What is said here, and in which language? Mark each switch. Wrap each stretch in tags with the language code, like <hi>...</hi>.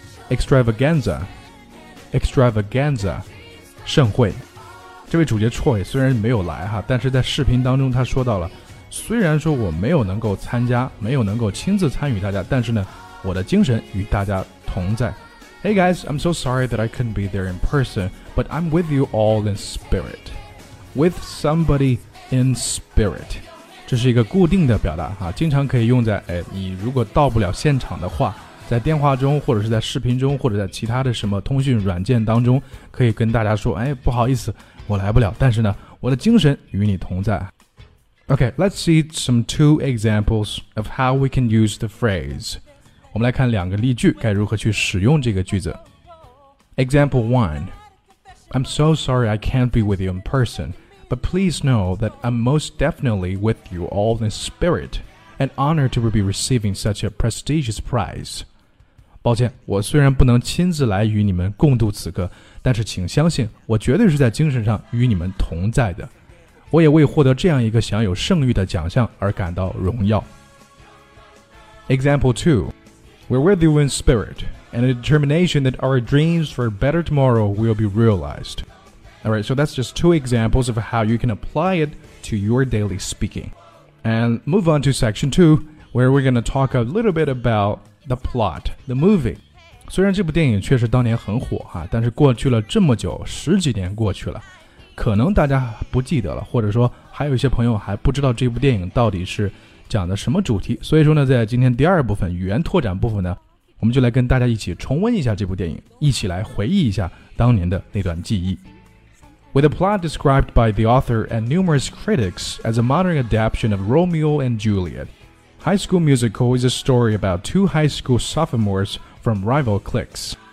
<zh>Extravaganza, 盛会。这位主角 Troy 虽然没有来哈，但是在视频当中他说到了，虽然说我没有能够参加，没有能够亲自参与大家，但是呢，我的精神与大家同在。</zh> <en>Hey guys, I'm so sorry that I couldn't be there in person, but I'm with you all in spirit. With somebody in spirit.</en> <zh>这是一个固定的表达、啊、经常可以用在、哎、你如果到不了现场的话，在电话中或者是在视频中或者在其他的什么通讯软件当中可以跟大家说、哎、不好意思我来不了，但是呢我的精神与你同在。</zh> <en>Okay, let's see some two examples of how we can use the phrase.</en> <zh>我们来看两个例句该如何去使用这个句子。</zh> <en>Example 1， I'm so sorry I can't be with you in person, but please know that I'm most definitely with you all in spirit, and honored to be receiving such a prestigious prize.</en> <zh>抱歉，我虽然不能亲自来与你们共度此刻，但是请相信我绝对是在精神上与你们同在的，我也为获得这样一个享有盛誉的奖项而感到荣耀。</zh> <en>Example 2，We're with you in spirit, and a determination that our dreams for a better tomorrow will be realized. Alright, so that's just two examples of how you can apply it to your daily speaking. And move on to section 2, where we're going to talk a little bit about the plot, the movie.</en> <zh>虽然这部电影确实当年很火、啊、但是过去了这么久，十几年过去了，可能大家不记得了，或者说还有一些朋友还不知道这部电影到底是讲的什么主题，所以说呢在今天第二部分语言拓展部分呢，我们就来跟大家一起重温一下这部电影，一起来回忆一下当年的那段记忆。</zh> <en>With a plot described by the author and numerous critics as a modern adaptation of Romeo and Juliet, High School Musical is a story about two high school sophomores from rival cliques.</en>